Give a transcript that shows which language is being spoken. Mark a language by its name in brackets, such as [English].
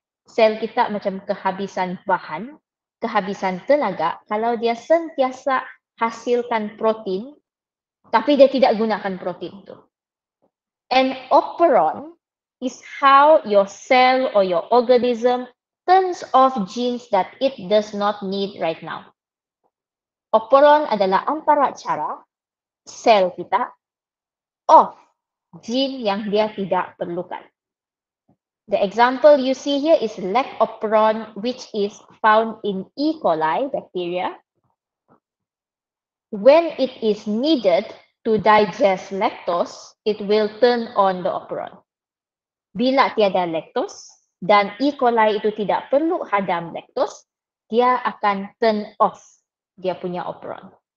[Malay] Cell kita macam kehabisan bahan, kehabisan tenaga, kalau dia sentiasa hasilkan protein, tapi dia tidak gunakan protein itu. [English] An operon is how your cell or your organism turns off genes that it does not need right now. [Malay] Operon adalah antara cara sel kita off gene yang dia tidak perlukan. [English] The example you see here is lac operon, which is found in E. coli bacteria. When it is needed to digest lactose, it will turn on the operon. [Malay] Bila tiada lactose, dan E. coli itu tidak perlu hadam lactose, dia akan [English] turn off [Malay] dia punya operon.